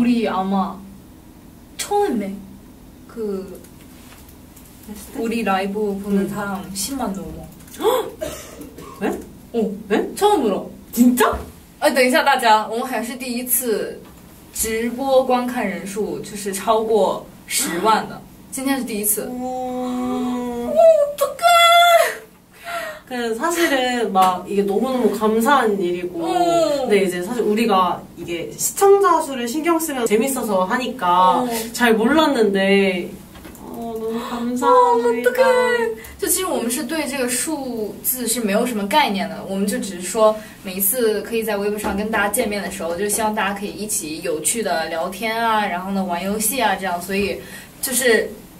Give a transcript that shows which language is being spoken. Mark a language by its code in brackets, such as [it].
[ko] 우리 아마 처음에 그 우리 라이브 보는 사람 10만 넘어. 왜? 어, 왜? 처음으로. 진짜? [zh] 아, 等一下大家，我们还是第一次直播观看人数就是超过10万的。今天是第一次. 오, [ko] 어떡해. 그 사실은 막 이게 너무너무 감사한 일이고 근데 이제 사실 우리가 이게 시청자 수를 신경 쓰면 재밌어서 하니까 잘 몰랐는데 너무 감사합니다. 어, 어떡해. [zh] 就其实我们是对这个数字是没有什么概念的，我们就只是说每一次可以在微博上跟大家见面的时候，就希望大家可以一起有趣的聊天啊，然后呢玩游戏啊，这样，所以就是